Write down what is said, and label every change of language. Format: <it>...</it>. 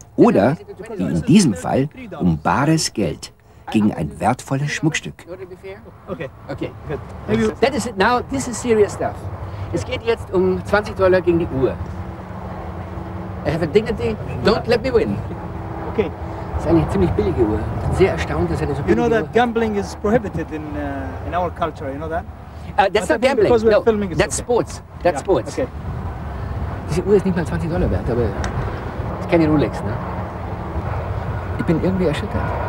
<de>Oder, wie in diesem Fall, um bares Geld gegen ein wertvolles Schmuckstück.</de> <en>Okay, good. That is it now. This is serious stuff.</en> <de>Es geht jetzt um $20 gegen die Uhr.</de> <en>I have a dignity. Don't let me win. Okay.</en> <de>Das ist eine ziemlich billige Uhr. Sehr erstaunt, dass eine so billige Uhr.</de> <en>You know that gambling is prohibited in our culture, you know that? That's not gambling, because we're filming, it's that's okay. Sports. That's yeah. Sports. Okay.</en> <de>Diese Uhr ist nicht mal $20 wert, aber das ist keine Rolex, ne? Ich bin irgendwie erschüttert.</de>